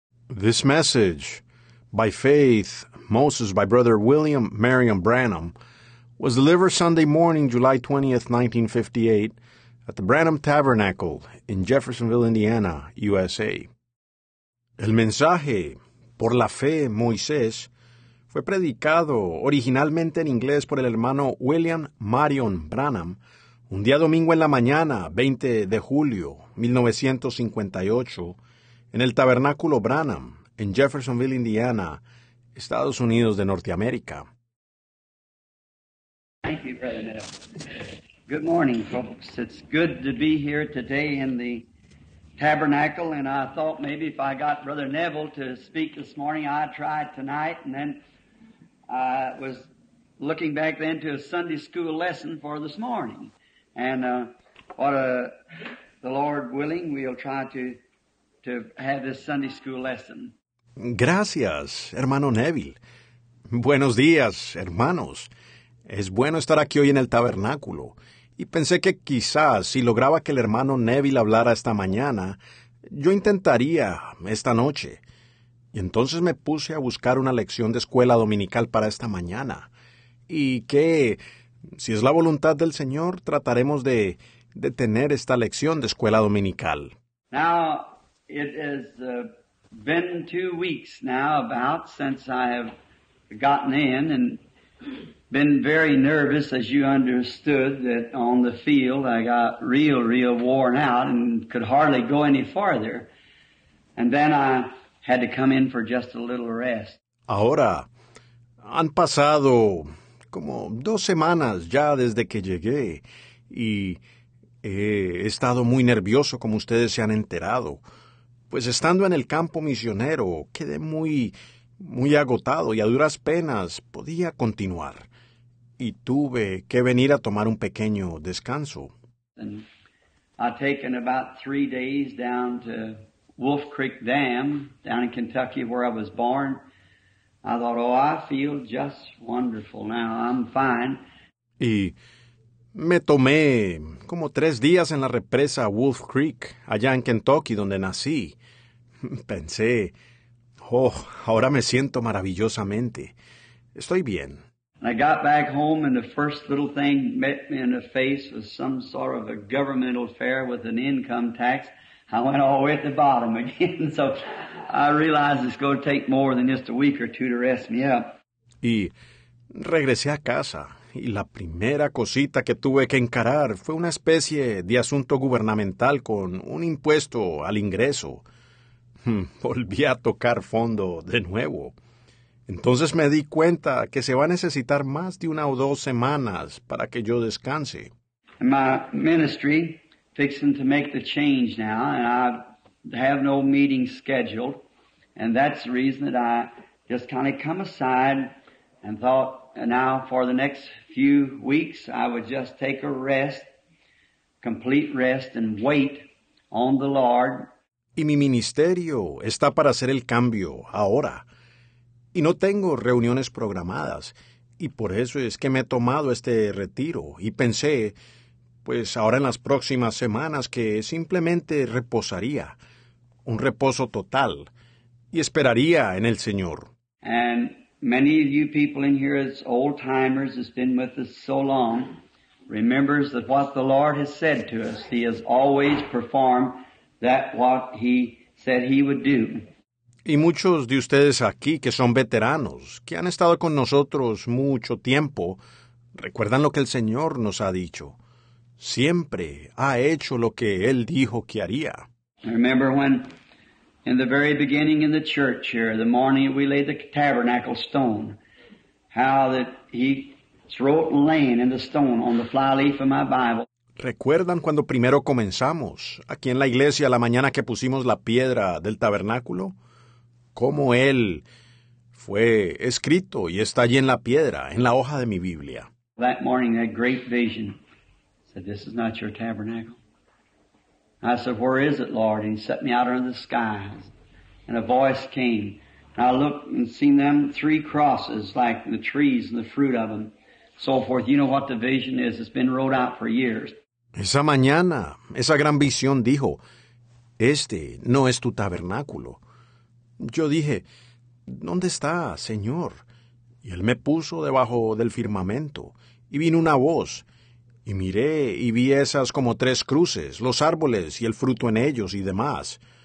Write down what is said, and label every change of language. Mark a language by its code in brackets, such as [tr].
[en] This message, by faith, Moses, by Brother William Marion Branham, was delivered Sunday morning, July 20th, 1958, at the Branham Tabernacle in Jeffersonville, Indiana, USA. [es] El mensaje, por la fe, Moisés, fue predicado originalmente en inglés por el hermano William Marion Branham, un día domingo en la mañana, 20 de julio, 1958, en el Tabernáculo Branham, en Jeffersonville, Indiana, Estados Unidos de Norteamérica. [en] Thank you, Brother Neil. Good morning, folks. It's good to be here today in the Tabernacle, and I thought maybe if I got Brother Neville to speak this morning, I'd try it tonight, and then I was looking back then to a Sunday school lesson for this morning, and the Lord willing, we'll try to have this Sunday school lesson. [es] Gracias, hermano Neville. Buenos días, hermanos. Es bueno estar aquí hoy en el tabernáculo. Y pensé que quizás si lograba que el hermano Neville hablara esta mañana, yo intentaría esta noche. Y entonces me puse a buscar una lección de escuela dominical para esta mañana. Y que, si es la voluntad del Señor, trataremos de tener esta lección de escuela dominical. [en] Now, it has been 2 weeks now about since I have gotten in and been very nervous, as you understood, that on the field I got real, real worn out and could hardly go any farther. And then I had to come in for just a little rest. [es] Ahora, han pasado como 2 semanas ya desde que llegué y he estado muy nervioso, como ustedes se han enterado. Pues estando en el campo misionero, quedé muy, muy agotado y a duras penas podía continuar. Y tuve que venir a tomar un pequeño descanso. [en] I've taken about 3 days down to Wolf Creek Dam, down in Kentucky where I was born. I thought, oh, I feel just wonderful now, I'm fine. [es] Y me tomé como 3 días en la represa Wolf Creek, allá en Kentucky, donde nací. Pensé, oh, ahora me siento maravillosamente. Estoy bien. [en] I got back home and the first little thing met me in the face was some sort of a governmental affair with an income tax. I went all the way at the bottom again. So I realized it's going to take more than just a week or two to rest me up. [es] Y regresé a casa. Y la primera cosita que tuve que encarar fue una especie de asunto gubernamental con un impuesto al ingreso. Volví a tocar fondo de nuevo. Entonces me di cuenta que se va a necesitar más de 1 o 2 semanas para que yo descanse. [en] My ministry fixing to make the change now, and I have no meeting scheduled, and that's the reason that I just kind of come aside and thought, now for the next few weeks I would just take a rest, complete rest, and wait on the Lord. [es] Y mi ministerio está para hacer el cambio ahora. Y no tengo reuniones programadas. Y por eso es que me he tomado este retiro. Y pensé, pues ahora en las próximas semanas, que simplemente reposaría. Un reposo total. Y esperaría en el Señor. [en] And many of you people in here as old timers has been with us so long, remembers that what the Lord has said to us, He has always performed that what He said He would do. [es] Y muchos de ustedes aquí que son veteranos, que han estado con nosotros mucho tiempo, recuerdan lo que el Señor nos ha dicho. Siempre ha hecho lo que Él dijo que haría. [en] I remember when, in the very beginning in the church here, the morning we laid the tabernacle stone, how that He wrote laying in the stone on the flyleaf of my Bible. [es] ¿Recuerdan cuando primero comenzamos aquí en la iglesia la mañana que pusimos la piedra del tabernáculo? ¿Cómo Él fue escrito y está allí en la piedra, en la hoja de mi Biblia? [en] That morning, that great vision said, this is not your tabernacle. I said, where is it, Lord? And He set me out under the skies. And a voice came. And I looked and seen them 3 crosses, like the trees and the fruit of them. So forth. You know what the vision is. It's been rolled out for years. [es] Esa mañana, esa gran visión dijo, este no es tu tabernáculo. Yo dije, ¿dónde está, Señor? Y él me puso debajo del firmamento, y vino una voz, y miré, y vi esas como tres cruces, los árboles y el fruto en ellos y demás.